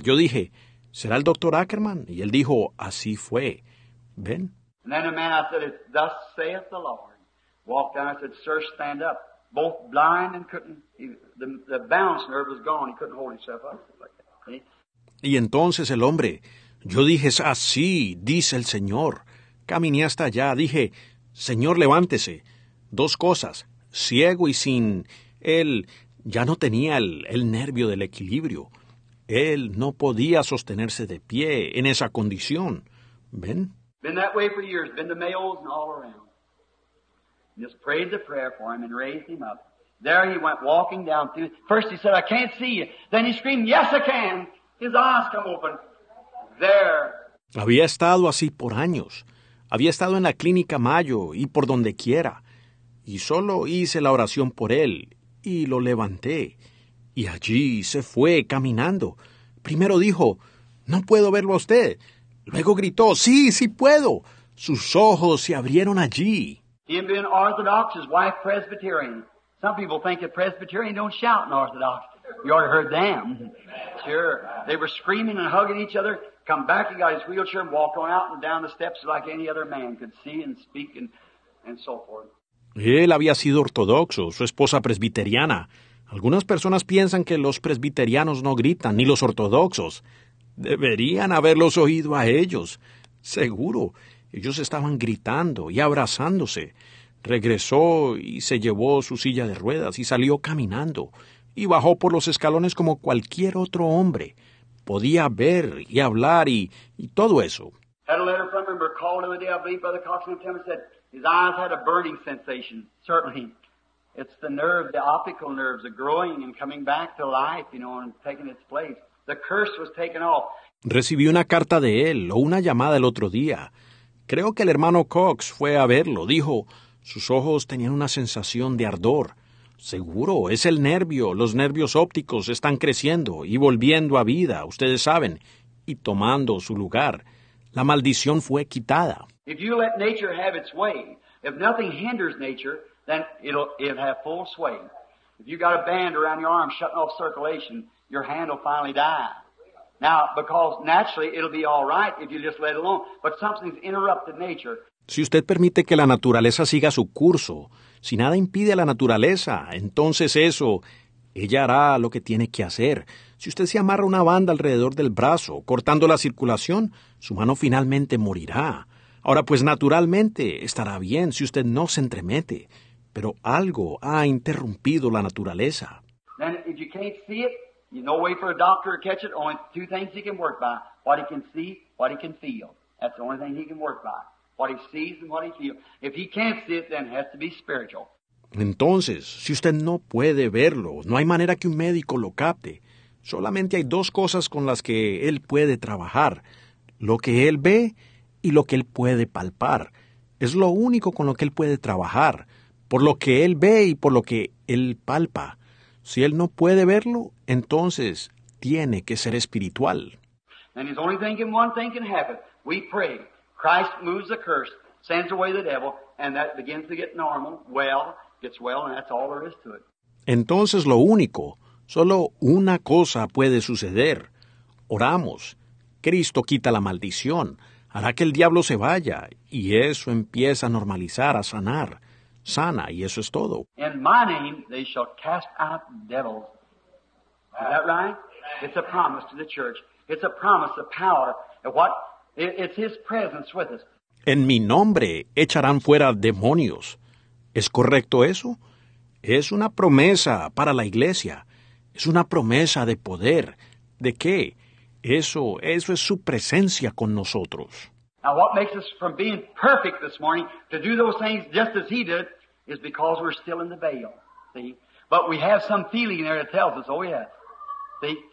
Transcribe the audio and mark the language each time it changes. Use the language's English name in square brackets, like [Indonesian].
[Spanish] Yo dije, ¿será el Dr. Ackerman? Y él dijo, así fue. Ven. [English] And then a man, I said, it's thus saith the Lord. Walked down, I said, sir, stand up. Both blind and couldn't, the balance nerve was gone. He couldn't hold himself up. [Spanish] Y entonces el hombre, yo dije, así dice el Señor. Caminé hasta allá, dije, Señor, levántese. Dos cosas, ciego y sin, él ya no tenía el nervio del equilibrio. Él no podía sostenerse de pie en esa condición. ¿Ven? [English] Been that way for years, been to Mayo's and all around. Just prayed the prayer for him and raised him up. There he went walking down through. First he said, I can't see you. Then he screamed, yes I can. His eyes come open. There. [Spanish] Había estado así por años. Había estado en la clínica Mayo y por donde quiera. Y solo hice la oración por él y lo levanté. Y allí se fue caminando. Primero dijo, no puedo verlo a usted. Luego gritó, sí, sí puedo. Sus ojos se abrieron allí. [English] Him being Orthodox, his wife Presbyterian. Some people think that Presbyterian don't shout in Orthodox. You already heard them. Sure. They were screaming and hugging each other. Come back, he got his wheelchair and walked on out and down the steps like any other man could see and speak and so forth. [Spanish] Él había sido ortodoxo, su esposa presbiteriana. Algunas personas piensan que los presbiterianos no gritan, ni los ortodoxos. Deberían haberlos oído a ellos. Seguro, ellos estaban gritando y abrazándose. Regresó y se llevó su silla de ruedas y salió caminando. Y bajó por los escalones como cualquier otro hombre. Podía ver y hablar y todo eso. [English] Had a letter from him, recalled him a day, I believe, Brother Cox and Tim said, his eyes had a burning sensation, certainly. It's the nerve, the optical nerves are growing and coming back to life, you know, and taking its place. The curse was taken off. [Spanish] Recibí una carta de él o una llamada el otro día. Creo que el hermano Cox fue a verlo. Dijo, sus ojos tenían una sensación de ardor. Seguro, es el nervio. Los nervios ópticos están creciendo y volviendo a vida, ustedes saben, y tomando su lugar. La maldición fue quitada. [English] If you let nature have its way, if nothing hinders nature, then it'll have full sway. If you got a band around your arm shutting off circulation, your hand will finally die. Now, because naturally it'll be all right if you just let it alone, but something's interrupted nature. [Spanish] Si usted permite que la naturaleza siga su curso, si nada impide a la naturaleza, entonces eso, ella hará lo que tiene que hacer. Si usted se amarra una banda alrededor del brazo, cortando la circulación, su mano finalmente morirá. Ahora, pues naturalmente estará bien si usted no se entremete, pero algo ha interrumpido la naturaleza. [English] Then if you can't see it, you no way for a doctor to catch it, only two things he can work by, what he can see, what he can feel. That's the only thing he can work by. What he sees and what he feels. If he can't see it, then it has to be spiritual. [Spanish] Entonces, si usted no puede verlo, no hay manera que un médico lo capte. Solamente hay dos cosas con las que él puede trabajar. Lo que él ve y lo que él puede palpar. Es lo único con lo que él puede trabajar. Por lo que él ve y por lo que él palpa. Si él no puede verlo, entonces tiene que ser espiritual. [English] And he's only thinking one thing can happen. We pray. Christ moves the curse, sends away the devil, and that begins to get normal, well, gets well, and that's all there is to it. [Spanish] Entonces lo único, solo una cosa puede suceder. Oramos, Cristo quita la maldición, hará que el diablo se vaya, y eso empieza a normalizar, a sanar. Sana, y eso es todo. [English] In my name they shall cast out devils. Is that right? It's a promise to the church. It's a promise of power. What? It's his presence with us. [Spanish] En mi nombre echarán fuera demonios. ¿Es correcto eso? Es una promesa para la iglesia. Es una promesa de poder. ¿De qué? Eso es su presencia con nosotros. [English] Now what makes us from being perfect this morning to do those things just as he did is because we're still in the veil. See? But we have some feeling there that tells us, oh yes. See?